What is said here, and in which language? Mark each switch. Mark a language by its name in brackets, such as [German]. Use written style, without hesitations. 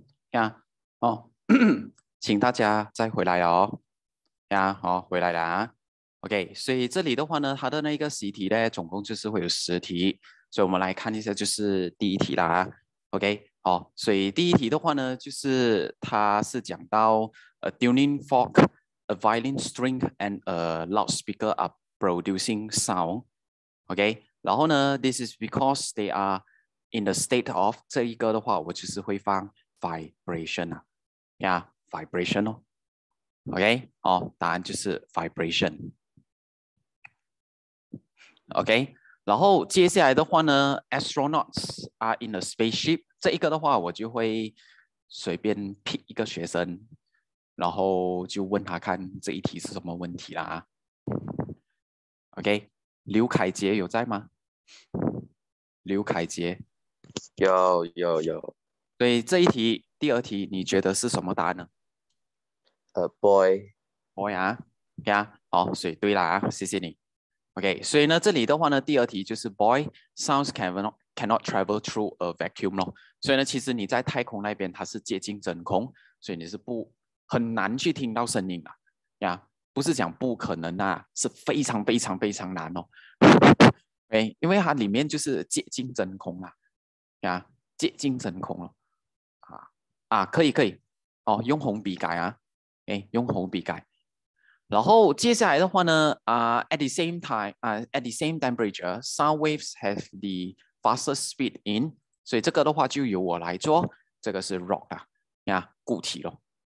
[Chinese] 呀，哦，请大家再回来哦。呀，好，回来了啊。OK， 所以这里的话呢，它的那个习题呢，总共就是会有十题，所以我们来看一下，就是第一题啦。 OK， 好，所以第一题的话呢，就是它是讲到 a tuning fork。 [English] A violin string and a loudspeaker are producing sound. [Chinese] Okay, 然后呢 this is because they are in the state of 这一个的话，我就是会放 vibration 啊 ，yeah, vibration 哦。 Okay, 哦，答案就是 vibration. Okay, 然后接下来的话呢 ， astronauts are in a spaceship. 这一个的话，我就会随便 pick 一个学生。然后就问他看这一题是什么问题啦。 OK， 刘凯杰有在吗？刘凯杰，有有有。对这一题，第二题你觉得是什么答案呢？ [English] boy， [Chinese] boy 啊，对啊，好，所以对啦，谢谢你。 OK， 所以呢，这里的话呢，第二题就是 boy sounds cannot travel through a vacuum 咯。所以呢，其实你在太空那边它是接近真空，所以你是不。很难去听到声音啊 yeah, 不是讲不可能啊是非常非常非常难哦 okay, 因为它里面就是接近真空啊 yeah, 接近真空了、啊啊、可以可以、哦、用红笔改啊 okay, 用红笔改然后接下来的话呢、 at the same time、at the same temperature sound waves have the fastest speed in 所以这个的话就由我来做这个是 rock 啊 yeah, 固体咯